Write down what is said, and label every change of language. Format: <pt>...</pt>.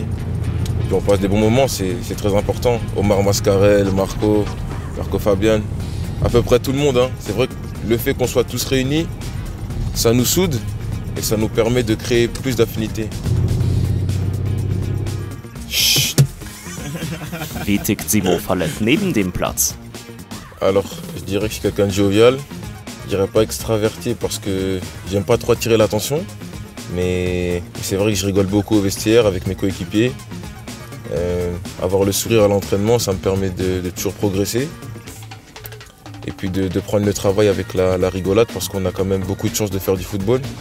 <fr>Et puis on passe des bons moments, c'est très important. Omar Mascarel, Marco Fabian, à peu près tout le monde. Hein. C'est vrai que le fait qu'on soit tous réunis, ça nous soude. Et ça nous permet de créer plus d'affinités.</fr> <de>Wie tickt Simo Fallett neben dem Platz?</de> <fr>Alors, je dirais que je suis quelqu'un de jovial. Je dirais pas extraverti parce que j'aime pas trop attirer l'attention. Mais c'est vrai que je rigole beaucoup au vestiaire avec mes coéquipiers. Avoir le sourire à l'entraînement, ça me permet de toujours progresser. Et puis de prendre le travail avec la rigolade parce qu'on a quand même beaucoup de chance de faire du football.</fr>